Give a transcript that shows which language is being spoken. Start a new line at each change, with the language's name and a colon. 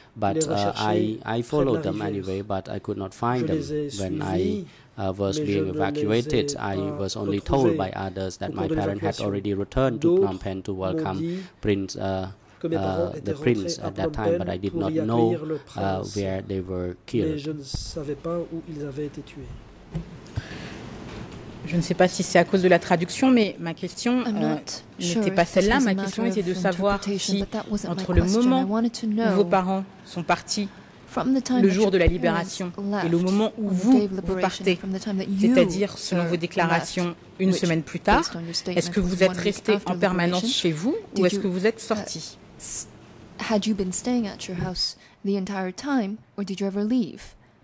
English: But I followed them anyway, but I could not find them. When I was being evacuated, I was only told by others that my parents had already returned to Phnom Penh to welcome Prince the prince at that time, but I did not know where they were killed.
French: Je ne savais pas où ils avaient été tués. Je ne sais pas si c'est à cause de la traduction, mais ma question n'était pas celle-là. Ma question était de savoir si, entre le moment où vos parents sont partis, le jour de la libération, et le moment où vous partez, c'est-à-dire selon vos déclarations une semaine plus tard, est-ce que vous êtes resté en permanence chez vous ou est-ce que vous êtes sorti?
English: Had you been staying at your house the entire time, or did you ever leave?